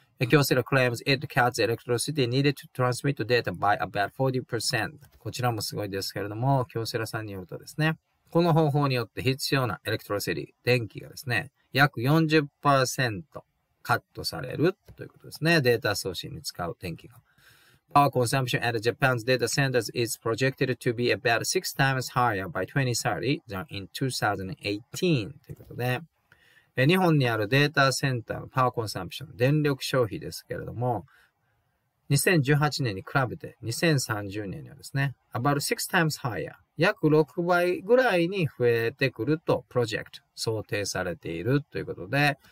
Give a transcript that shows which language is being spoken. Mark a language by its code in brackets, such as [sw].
[en] 京セラ claims it cuts electricity needed to transmit data by about 40%。 [ja] こちらもすごいですけれども、京セラさんによるとですね、この方法によって必要なエレクトロシティ、電気がですね、約 40% カットされるということですね。データ送信に使う電気が。 [en] Power consumption at Japan's data centers is projected to be about 6 times higher by 2030 than in 2018. [ja] ということで、日本にあるデータセンターのパワーコンサンプション、電力消費ですけれども、2018年に比べて2030年にはですね、 [en] about 6 times higher、 [ja] 約6倍ぐらいに増えてくると、プロジェクト、想定されているということで、